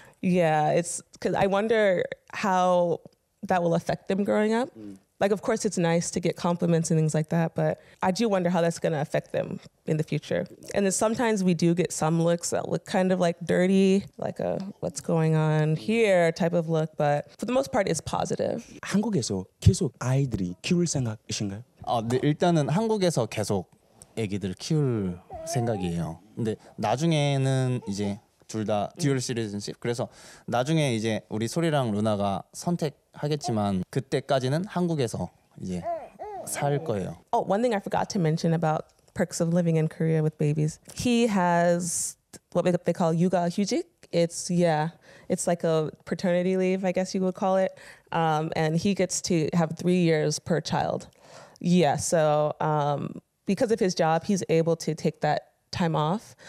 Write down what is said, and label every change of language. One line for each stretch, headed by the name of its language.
English: Yeah, it's because I wonder how that will affect them growing up. Like, of course, it's nice to get compliments and things like that, but I do wonder how that's going to affect them in the future. And then sometimes we do get some looks that look kind of like dirty, like a what's going on here type of look. But for the most part, it's positive.
Korean: 한국에서 계속 아이들이 키울 생각이신가요? 네, 일단은 한국에서 계속 아기들 키울 생각이에요. 근데 나중에는 이제 둘 다 듀얼 시리즌십 그래서 나중에 이제 우리 소리랑 루나가 선택하겠지만 그때까지는 한국에서 이제 살 거예요.
English: Oh, one thing I forgot to mention about perks of living in Korea with babies. He has what they call 육아 휴직. It's yeah, it's like a paternity leave, I guess you would call it. And he gets to have 3 years per child. Yeah, so because of his job, he's able to take that time off.